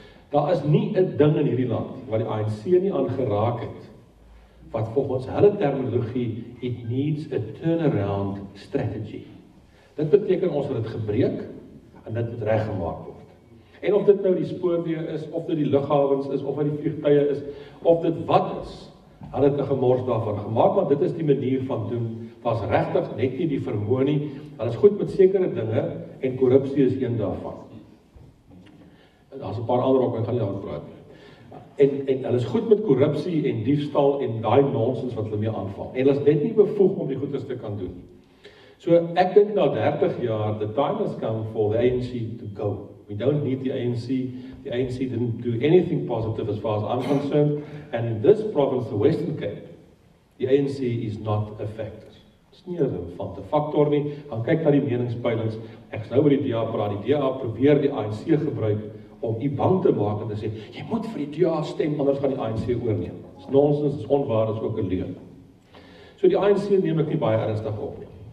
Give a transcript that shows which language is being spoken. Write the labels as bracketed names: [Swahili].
[Afrikaans] Daar is nie 'n ding in hierdie land wat die ANC nie aangeraak het wat volgens hulle terminologie [English] it needs a turnaround strategy. [Afrikaans] Dit beteken ons het dit gebreek en dit moet reggemaak word. En of dit nou die spoorweë is of dit die lughawens is of dit die vliegtye is of dit wat is, hulle het 'n gemors daarvan gemaak want dit is die manier van doen. Was regtig net nie die vermoë nie. Hulle is goed met sekere dinge en korrupsie is een daarvan. Daar's 'n paar ander op, ek gaan nie daarop praat nie. En hulle is goed met korrupsie en diefstal en daai nonsens wat hulle mee aanvang. En hulle is net nie bevoeg om die goeie te kan doen. So ek dink na 30 jaar, [English] the time has come for the ANC to go. We don't need the ANC. The ANC didn't do anything positive as far as I'm concerned. And in this province, the Western Cape, the ANC is not a factor. [Afrikaans] Dit is nie 'n relevante faktor nie. Gaan kyk na die meningspeilings. Ek is nou by die DA praat. Die DA probeer die ANC gebruik om u bang te maak en te sê, jy moet vir die DA stem, anders gaan die ANC oorneem. Dit is nonsens, dit is onwaar, dit is ook 'n leuen. So die ANC neem ek nie baie ernstig op nie.